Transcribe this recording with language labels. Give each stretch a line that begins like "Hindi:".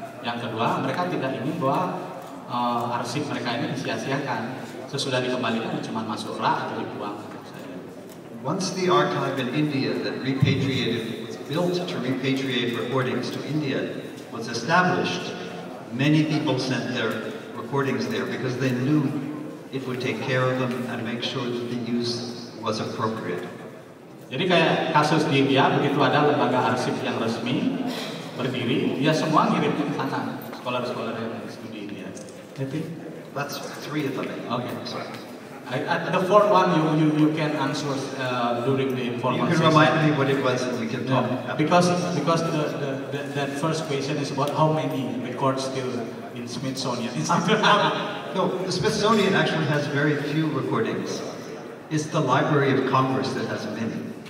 Indonesian: Yang kedua, mereka tidak ingin bahwa arsip mereka ini disia-siakan. Sesudah dikembalikan, cuma masuk rak atau dibuang.
English: Once the archive in India that repatriated, was built to repatriate recordings to India, was established, many people sent their recordings there because they knew it would take care of them and make sure that the use was appropriate.
Indonesian: Jadi kayak kasus di India, begitu ada lembaga arsip yang resmi berdiri, dia semua ngirim ke sana, sekolah-sekolah yang studi India. Tapi
English: that's three of them. Okay. The fourth one you can answer during the informal session. You can remind me what it was and we can talk. Because the first question is about how many records still in Smithsonian. No, the Smithsonian actually has very few recordings. It's the Library of Congress that has many.